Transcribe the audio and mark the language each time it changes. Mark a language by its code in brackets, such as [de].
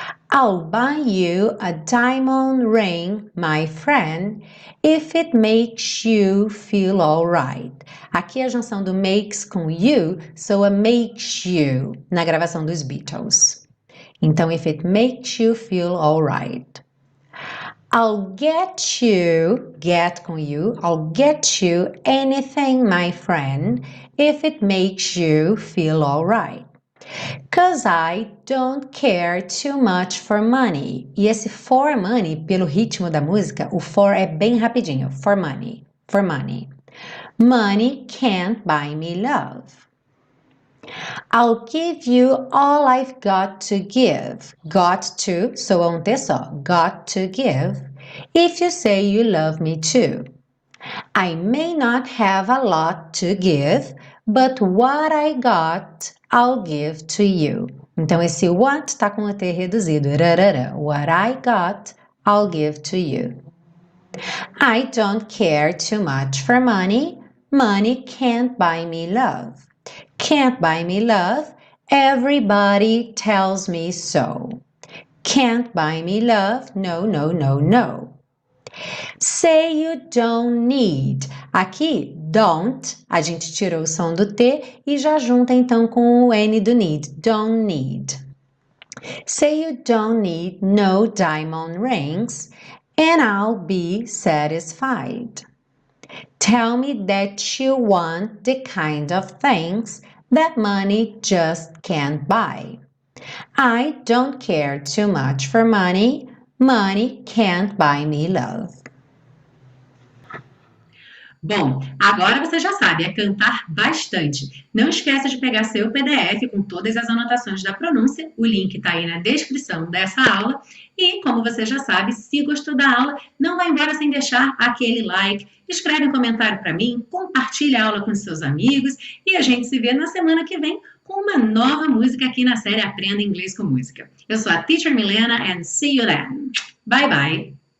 [en] I'll buy you a diamond ring, my friend, if it makes you feel all right. [pt] Aqui a junção do makes com you soa [en] makes you [pt] na gravação dos Beatles. Então, if it makes you feel all right. I'll get you, get com you, I'll get you anything, my friend, if it makes you feel all right. [en] 'Cause I don't care too much for money. [pt] E esse [en] for money, [pt] pelo ritmo da música, o for é bem rapidinho. [en] For money, for money. Money can't buy me love. I'll give you all I've got to give. Got to, [pt] soa um T só. [en] Got to give. If you say you love me too. I may not have a lot to give, but what I got. I'll give to you. [pt] Então, esse what está com o T reduzido. Rarara. [en] What I got, I'll give to you. I don't care too much for money. Money can't buy me love. Can't buy me love. Everybody tells me so. Can't buy me love. No, no, no, no. Say you don't need. [pt] Aqui, don't, a gente tirou o som do T e já junta então com o N do need. [en] Don't need. Say you don't need no diamond rings and I'll be satisfied. Tell me that you want the kind of things that money just can't buy. I don't care too much for money. Money can't buy me love. [pt] Bom, agora você já sabe, é cantar bastante. Não esqueça de pegar seu PDF com todas as anotações da pronúncia. O link está aí na descrição dessa aula. E como você já sabe, se gostou da aula, não vá embora sem deixar aquele like, escreve um comentário para mim, compartilhe a aula com seus amigos e a gente se vê na semana que vem com uma nova música aqui na série Aprenda Inglês com Música. Eu sou a Teacher Milena [en] and see you then. Bye bye!